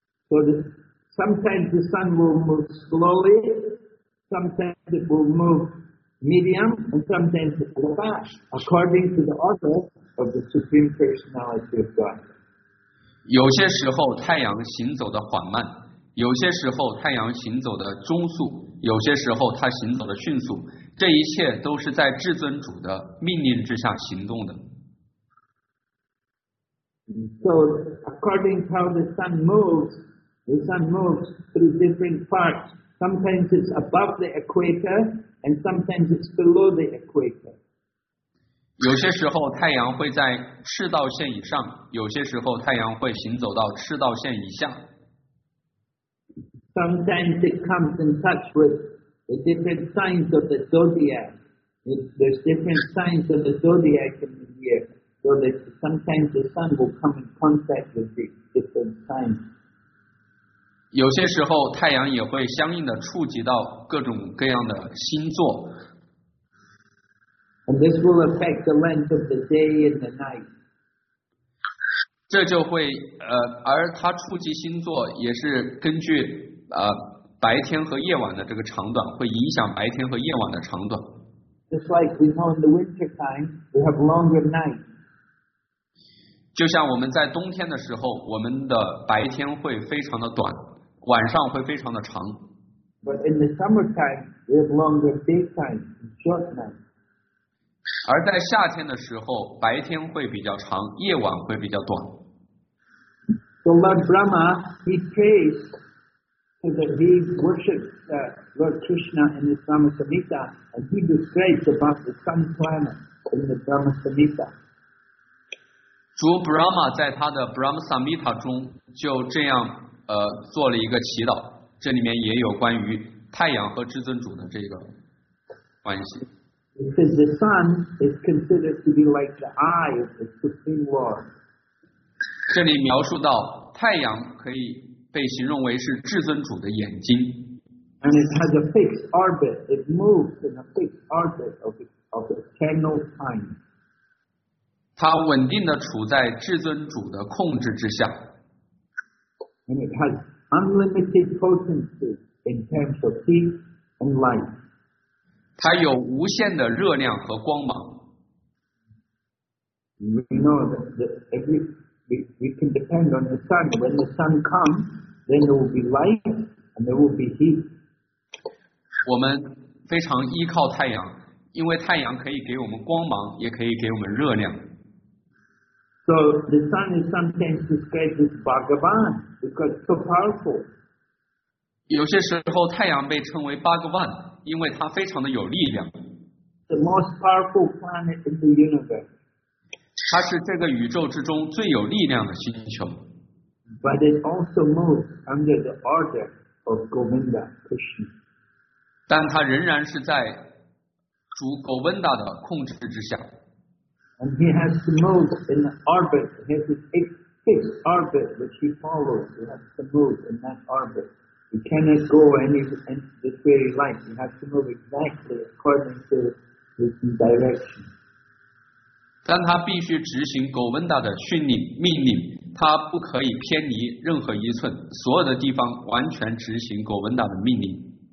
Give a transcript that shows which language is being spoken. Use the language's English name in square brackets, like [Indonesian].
[English] So sometimes the sun will move slowly, sometimes it will move medium, and sometimes it will fast, according to the order of the Supreme Personality of God. [Chinese] 有些时候太阳行走的缓慢，有些时候太阳行走的中速，有些时候它行走的迅速。这一切都是在至尊主的命令之下行动的。 [English] So according to how the sun moves through different parts. Sometimes it's above the equator, and sometimes it's below the equator. [Chinese] 有些时候太阳会在赤道线以上，有些时候太阳会行走到赤道线以下。 [English] Sometimes it comes in touch with. The different signs of the zodiac. There's different signs of the zodiac in the year. So that sometimes the sun will come in contact with the different signs. [Chinese] 有些时候太阳也会相应的触及到各种各样的星座。 [English] And this will affect the length of the day and the night. [Chinese] 这就会而它触及星座也是根据白天和夜晚的这个长短会影响白天和夜晚的长短。 [English] Just like we know in the winter time, we have longer nights. [Chinese] 就像我们在冬天的时候，我们的白天会非常的短，晚上会非常的长。 [English] But in the summertime, we have longer daytime and short nights. [Chinese] 而在夏天的时候，白天会比较长，夜晚会比较短。 [English] So Lord Brahma, he prays. That he worships Lord Krishna in the Brahma Samhita, and he describes about the sun planet in the Brahma Samhita. [Chinese] 主 Brahma 在他的 Brahma Samhita 中就这样做了一个祈祷，这里面也有关于太阳和至尊主的这个关系。 [English] Because the sun is considered to be like the eye of the Supreme Lord. [Chinese] 这里描述到太阳可以。被形容为是至尊主的眼睛。 [English] And it has a fixed orbit. It moves in a fixed orbit of eternal time. [Chinese] 它稳定地处在至尊主的控制之下。 [English] And it has unlimited potency in terms of heat and light. [Chinese] 它有无限的热量和光芒。 [English] We know that we can depend on the sun. When the sun comes,Then there will be light and there will be heat. [Chinese] 我们非常依靠太阳，因为太阳可以给我们光芒，也可以给我们热量。 [English] So the sun is sometimes described as Bhagavan because it's so powerful. [Chinese] 有些时候太阳被称为 Bhagavan， 因为它非常的有力量。 [English] The most powerful planet in the universe. [Chinese] 它是这个宇宙之中最有力量的星球。 [English] But it also moves under the order of Govinda Krishna. [Chinese] 但它仍然是在主 Govinda 的控制之下。 [English] And he has to move in the orbit. He has a fixed orbit which he follows. He has to move in that orbit. He cannot go any in this very light. He has to move exactly according to his direction. [Chinese] 但他必须执行狗文达的训令命令，他不可以偏离任何一寸，所有的地方完全执行狗文达的命令。